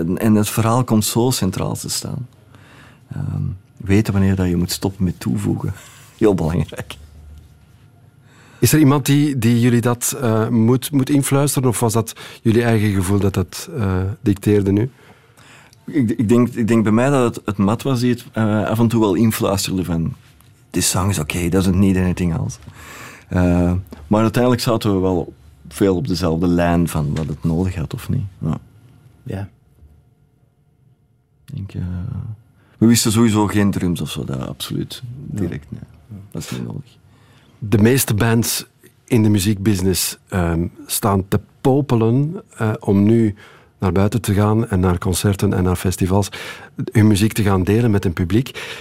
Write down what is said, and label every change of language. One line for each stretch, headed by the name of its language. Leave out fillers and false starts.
Dutch: En het verhaal komt zo centraal te staan. Weten wanneer dat je moet stoppen met toevoegen. Heel belangrijk. Is er iemand die jullie dat moet influisteren? Of was dat jullie eigen gevoel dat dicteerde nu? Ik denk bij mij dat het Matt was die het af en toe wel influisterde van...
English: This song is okay, doesn't need anything else.
Dutch: Maar uiteindelijk zaten we wel veel op dezelfde lijn van wat het nodig had of niet. Ja. We wisten sowieso geen drums of zo, dat absoluut. Direct, nee. Dat is niet nodig. De meeste bands in de muziekbusiness staan te popelen om nu naar buiten te gaan en naar concerten en naar festivals hun muziek te gaan delen met een publiek.